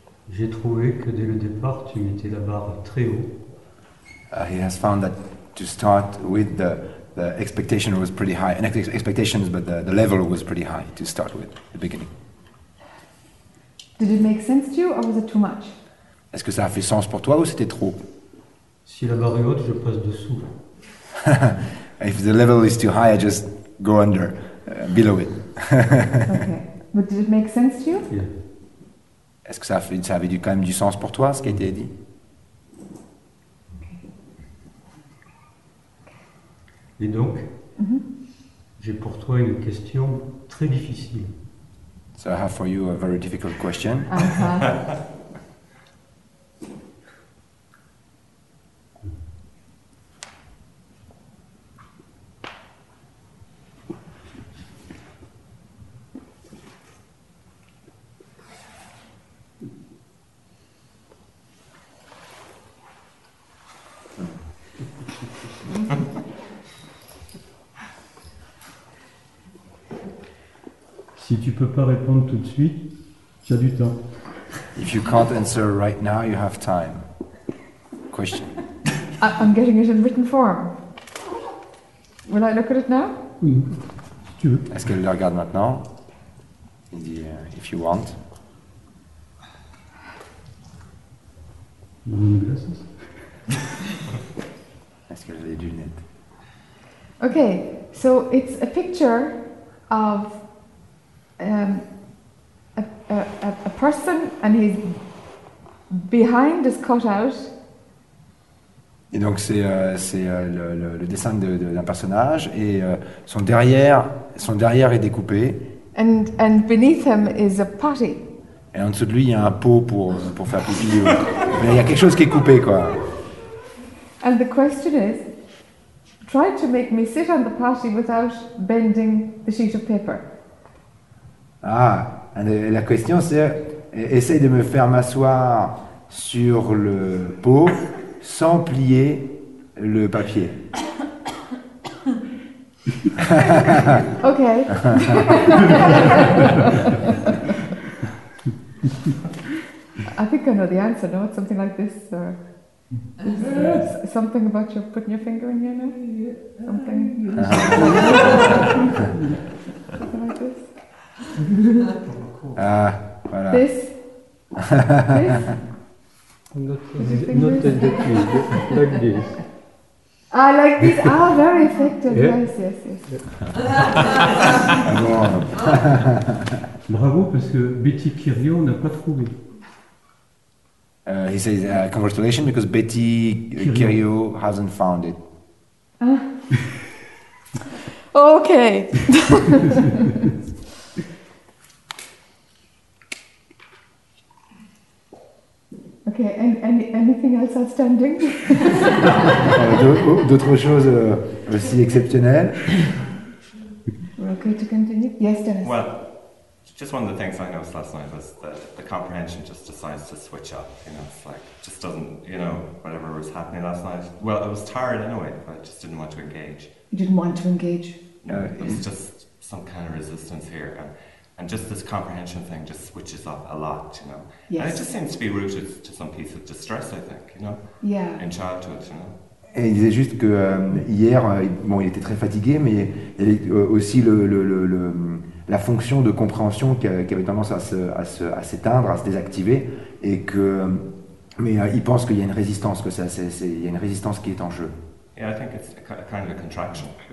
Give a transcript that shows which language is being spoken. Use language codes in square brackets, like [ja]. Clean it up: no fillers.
[fr] J'ai trouvé que dès le départ, tu mettais la barre très haut. [en] He has found that to start with, the expectation was pretty high. Not expectations, but the level was pretty high to start with, the beginning. Did it make sense to you, or was it too much? [fr] Est-ce que ça a fait sens pour toi, ou c'était trop? Si la barre est haute, je passe dessous. [en] If the level is too high, I just go under, below it. Okay. But did it make sense to you? Yeah. [fr] Est-ce que ça avait quand même du sens pour toi, ce qui a été dit? Et donc, j'ai pour toi une question très difficile. [en] So I have for you a very difficult question. [fr] Si tu peux pas répondre tout de suite, tu as du temps. [en] If you can't answer right now, you have time. Question. I'm getting it in written form. Will I look at it now? [fr] Oui, si tu veux. Est-ce qu'elle le regarde maintenant? Il dit, [en] if you want. [fr] Est-ce qu'elle a des lunettes? [en] Okay, so it's a picture of a person, and he's behind is cut out. [fr] Et donc c'est le dessin d'un personnage et son derrière est découpé. [en] And beneath him is a potty. [fr] Et en dessous de lui il y a un pot pour faire pipi. Mais il y a quelque chose qui est coupé quoi. [en] And the question is, try to make me sit on the potty without bending the sheet of paper. [fr] Ah, la question c'est, essaye de me faire m'asseoir sur le pot sans plier le papier. Ok. [en] I think I know the answer, no? It's something like this. Something about you putting your finger in here, no? Something. Something like this. [fr] Ah, voilà. [en] This. Not this. Like this. Ah, like this. Ah, very effective. Yeah. Yes. [fr] Bon. Bravo, parce que Betty Kirio n'a pas trouvé. [en] He says, congratulations, because Betty Kirio hasn't found it. Okay. Okay, anything else outstanding? D'autres choses aussi exceptionnelles? We're okay to continue? Yes, Dennis. Well, just one of the things I noticed last night was that the comprehension just decides to switch up. You know, it's like, just doesn't, you know, whatever was happening last night. Well, I was tired anyway, but I just didn't want to engage. You didn't want to engage? No, it was just some kind of resistance here. And just this comprehension thing just switches up a lot, you know. Yes. And it just seems to be rooted to some piece of distress, I think, you know. Yeah. In childhood, you know. [fr] Et il disait juste que hier, bon, il était très fatigué, mais il y avait aussi la fonction de compréhension qui avait tendance à s'éteindre, à se désactiver, et que mais il pense qu'il y a une résistance, que ça, c'est il y a une résistance qui est en jeu. [en] Yeah, I think it's a kind of a contraction.